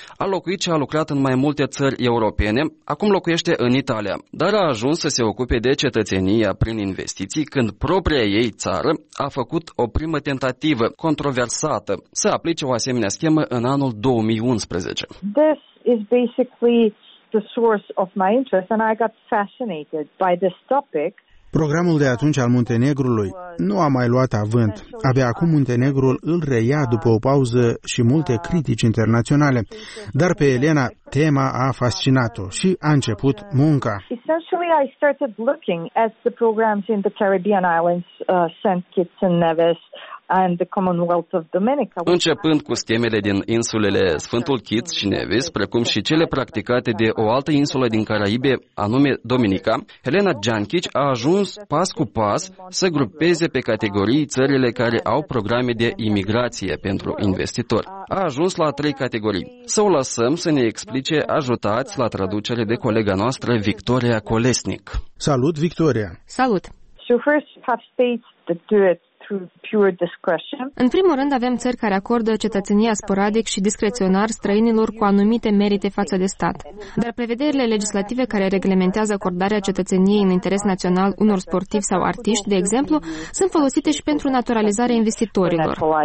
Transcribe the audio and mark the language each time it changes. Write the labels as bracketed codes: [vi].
[ro] A locuit și a lucrat în mai multe țări europene, acum locuiește în Italia, dar a ajuns să se ocupe de cetățenia prin investiții când propria ei țară a făcut o primă tentativă controversată să aplice o asemenea schemă în anul 2011. [en] This is basically the source of my interest and I got fascinated by this topic. [ro] Programul de atunci al Muntenegrului nu a mai luat avânt. Abia acum Muntenegrul îl reia după o pauză și multe critici internaționale. Dar pe Elena, tema a fascinat-o și a început munca. [en] Essentially, I started looking at the programs in the Caribbean islands, St. Kitts and Nevis, and the Commonwealth of Dominica. [ro] Începând cu schemele din insulele Sfântul Kitts și Nevis, precum și cele practicate de o altă insulă din Caraibe, anume Dominica, Elena Jankic a ajuns pas cu pas să grupeze pe categorii țările care au programe de imigrație pentru investitori. A ajuns la trei categorii. Să o lăsăm să ne explice, ajutați la traducere de colega noastră, Victoria Colesnic. Salut, Victoria! Salut! [en] So first have states that do it. [ro] În primul rând, avem țări care acordă cetățenia sporadic și discreționar străinilor cu anumite merite față de stat. Dar prevederile legislative care reglementează acordarea cetățeniei în interes național unor sportivi sau artiști, de exemplu, sunt folosite și pentru naturalizarea investitorilor.